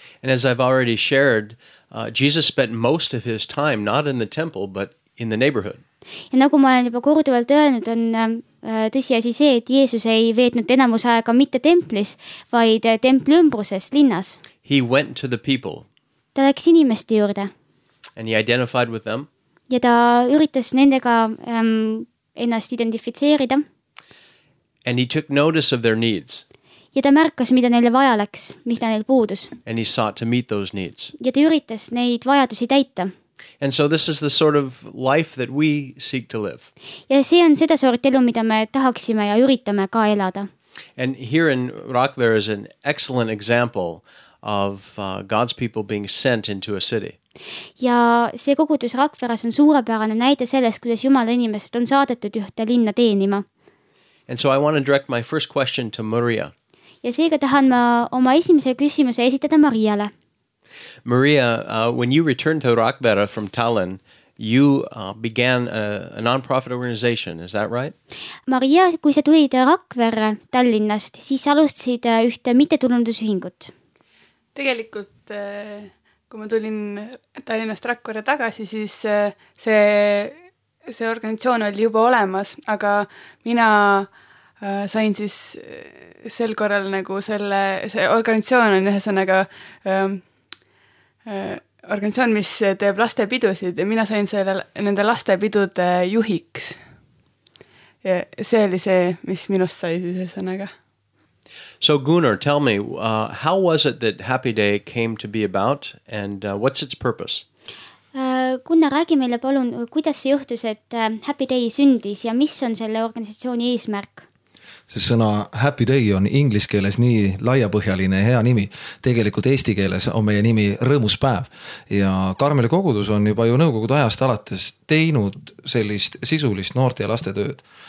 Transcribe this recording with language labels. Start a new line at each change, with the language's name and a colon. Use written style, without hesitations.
English: And as I've already shared, Jesus spent most of his time not in the temple, but in the neighborhood.
Estonian: Ja nagu ma olen juba korduvalt öelnud, on tõsi asi see, et Jeesus ei veetnud enamus aega mitte templis, vaid templi ümbruses linnas.
English: He went to the people.
Estonian: Ta läks inimeste juurde.
English: And he identified with them.
Estonian: Ja ta üritas nendega ennast identifitseerida.
English: And he took notice of their needs.
Estonian: Ja ta märkas, mida neile vaja läks, mis ta neil puudus.
English: And he sought to meet those needs.
Estonian: Ja ta üritas neid vajadusi täita.
English: And so this is the sort of life that we seek to live.
Estonian: Ja see on seda sort elu, mida me tahaksime ja üritame ka elada.
English: And here in Rakvere is an excellent example of God's people being sent into a city.
Estonian: Ja see kogudus Rakveres on suurepärane näide sellest, kuidas Jumala inimesed on saadetud ühte linna teenima.
English: And so I want to direct my first question to Maria.
Estonian: Ja seega tahan ma oma esimese küsimuse esitada Mariale.
English: Maria, when you returned to Rakvere from Tallinn, you began a non-profit organization, is that right?
Estonian: Maria, kui sa tulid Rakvere Tallinnast, siis alustasid ühte mittetulundusühingut. Tegelikult, kui ma tulin Tallinnast Rakvere tagasi, siis see organisatsioon oli juba olemas, aga mina sain siis sel korral nagu selle, see organisatsioon on ühesõnaga organisatsioon, mis teeb lastepidusid ja mina sain selle nende lastepidude juhiks. Ja see oli see, mis minust sai siis ühesõnaga.
English: So Gunnar, tell me, how was it that Happy Day came to be about and what's its purpose?
Estonian: Gunnar, räägi meile palun, kuidas see juhtus, et Happy Day sündis ja mis on selle organisatsiooni eesmärk? See sõna Happy Day on ingliskeeles nii laiapõhjaline hea nimi. Tegelikult eesti keeles on meie nimi Rõõmuspäev. Ja Karmeli kogudus on juba ju nõukogud ajast alates teinud sellist sisulist noorte ja laste tööd.